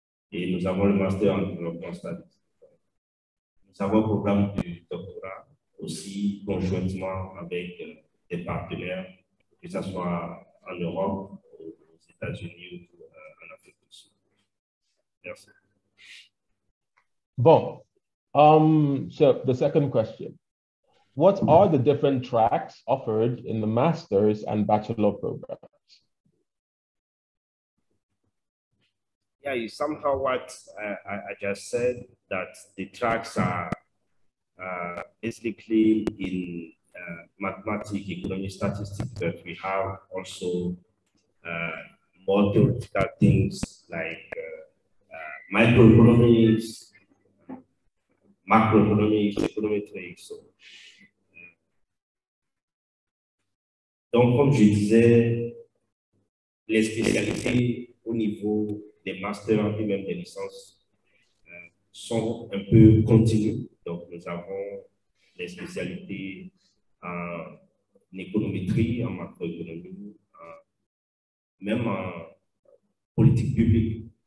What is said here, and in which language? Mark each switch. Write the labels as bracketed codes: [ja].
[fr] Et nous avons le master en développement statistique. Nous avons un programme de doctorat aussi conjointement avec des partenaires, que ce soit en Europe, aux États-Unis ou en Afrique du Sud. Merci. Bon. [en] So the second question, what are the different tracks offered in the master's and bachelor programs? Yeah, you somehow what I just said, that the tracks are basically in mathematics, economy, statistics, but we have also more theoretical things like microeconomics, macroeconomics, econometrics. [fr] So, donc, comme je disais, les spécialités au niveau des masters et même des licences sont un peu continues. Donc, nous avons les spécialités en économétrie, en macroéconomie, même en politique publique.